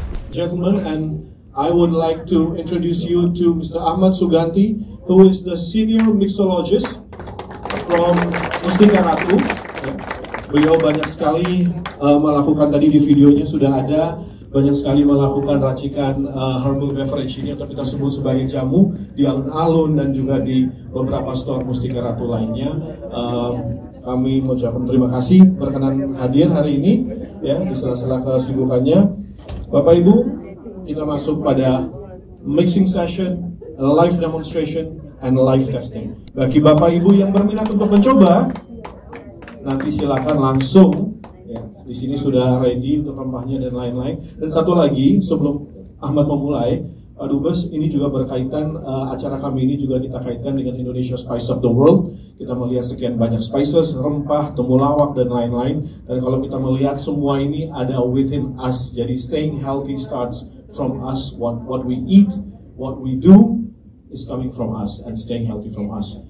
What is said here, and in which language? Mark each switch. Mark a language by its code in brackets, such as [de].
[en] Gentlemen, and I would like to introduce you to Mr. Ahmad Suganti, who is the senior mixologist from Mustika Ratu. [id] Beliau banyak sekali melakukan, tadi di videonya sudah ada, banyak sekali melakukan racikan herbal beverage ini atau kita sebut sebagai jamu di alun-alun dan juga di beberapa store Mustika Ratu lainnya. Kami mengucapkan terima kasih berkenan hadir hari ini ya di sela-sela kesibukannya. Bapak Ibu, kita masuk pada [en] mixing session, live demonstration, and live testing. [id] Bagi Bapak Ibu yang berminat untuk mencoba, nanti silakan langsung ya, di sini sudah ready untuk rempahnya dan lain-lain. Dan satu lagi sebelum Ahmad memulai, Dubes, ini juga berkaitan acara kami ini juga kita kaitkan dengan Indonesia Spice of the World. Kita melihat sekian banyak spices, rempah, temulawak dan lain-lain. Dan kalau kita melihat semua ini ada [en] within us. Jadi staying healthy starts from us. What we eat, what we do is coming from us and staying healthy from us.